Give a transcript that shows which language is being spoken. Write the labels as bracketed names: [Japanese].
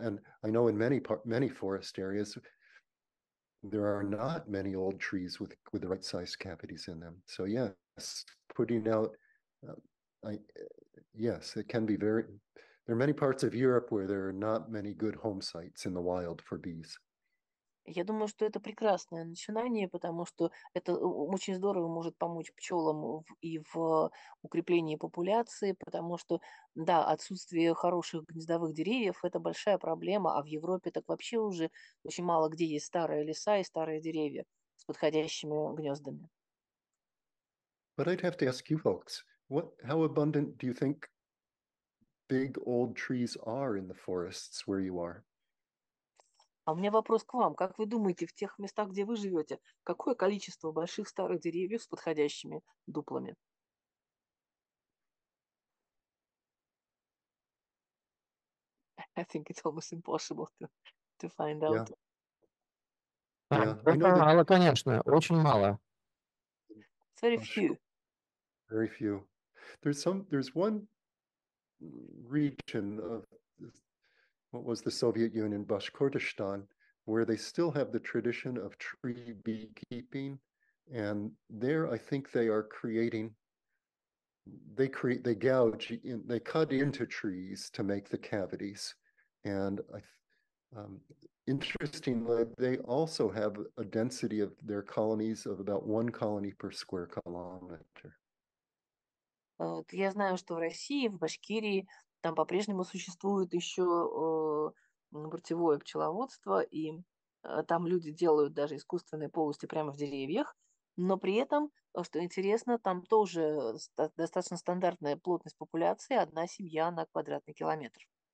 [English] And I know in many forest areas, there are not many old trees with the right size cavities in them. So yes, putting out, yes, it can be very. There are many parts of Europe where there are not many good home sites in the wild for bees. [Russian] Я думаю, что это прекрасное начинание, потому что это очень здорово может помочь пчелам и в укреплении популяции, потому что, да, отсутствие хороших гнездовых деревьев – это большая проблема, а в Европе так вообще уже очень мало где есть старые леса и старые деревья с подходящими гнездами. [English] But I'd have to ask you folks, how abundant do you think big old trees are in the forests where you are? [Russian] А у меня вопрос к вам. Как вы думаете, в тех местах, где вы живете, какое количество больших старых деревьев с подходящими дуплами? [English] I think it's almost impossible to find out. Yeah. Yeah. [Russian] Мало, конечно, очень мало. [English] Very few. Very few. There's one region of what was the Soviet Union, Bashkortostan, where they still have the tradition of tree beekeeping, and there I think they are creating, they cut into trees to make the cavities, and interestingly, they also have a density of their colonies of about one colony per square kilometer. [Russian] Вот, я знаю, что в России, в Башкирии, там по-прежнему существует еще бортевое пчеловодство, и там люди делают даже искусственные полости прямо в деревьях, но при этом, что интересно, там тоже достаточно стандартная плотность популяции, одна семья на квадратный километр.